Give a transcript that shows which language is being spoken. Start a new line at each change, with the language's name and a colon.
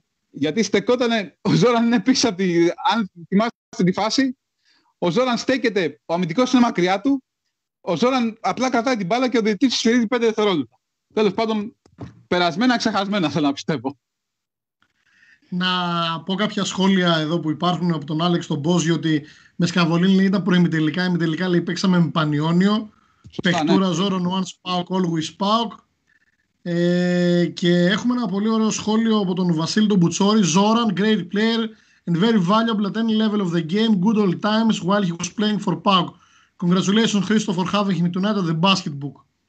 Greek: Γιατί στεκότανε, ο Ζόραν είναι πίσω από τη, αν θυμάστε τη φάση, ο Ζόραν στέκεται, ο αμυντικός είναι μακριά του, ο Ζόραν απλά κρατάει την μπάλα και ο διαιτητής σφυρίζει 5 δευτερόλεπτα. Τέλος πάντων, περασμένα, ξεχασμένα, θέλω να πιστεύω. Να πω κάποια σχόλια εδώ που υπάρχουν από τον Άλεξ τον Μπόζι, ότι με Σκαβολίνη ήταν προημιτελικά, ημιτελικά λέει παίξαμε με Πανιόνιο. Σωστά, Πεχτούρα, ναι.
English: Ζόρον, one spark, always spark.
Greek: Και έχουμε ένα πολύ ωραίο σχόλιο από τον Βασίλη τον Μπουτσόρη.
English: Zoran, great player and very valuable at any level of the game. Good old times while he was playing for PAOK. Congratulations, Christopher, having him tonight at the basket book.